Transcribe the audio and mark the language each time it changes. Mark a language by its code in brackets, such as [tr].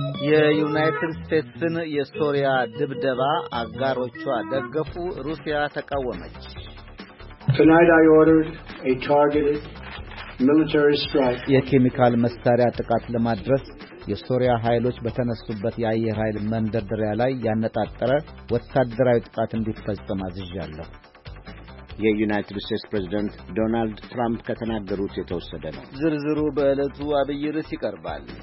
[am] የዩናይትድ ስቴትስን የሶሪያ ድብደባ አጋሮቿ ደገፉ፣ ሩሲያ ተቃወመች። [en] Tonight I ordered a targeted military strike. [am] የኬሚካል መሳሪያ ጥቃት ለማድረስ የሶሪያ ኃይሎች በተነሱበት የአየር ኃይል መንደርደሪያ ላይ ያነጣጠረ ወታደራዊ ጥቃት እንዲፈጸም አዝዣለሁ። የዩናይትድ ስቴትስ ፕሬዝዳንት ዶናልድ ትራምፕ ከተናገሩት የተወሰደ ነው። ዝርዝሩ በእለቱ አብይ ርዕስ ይቀርባል።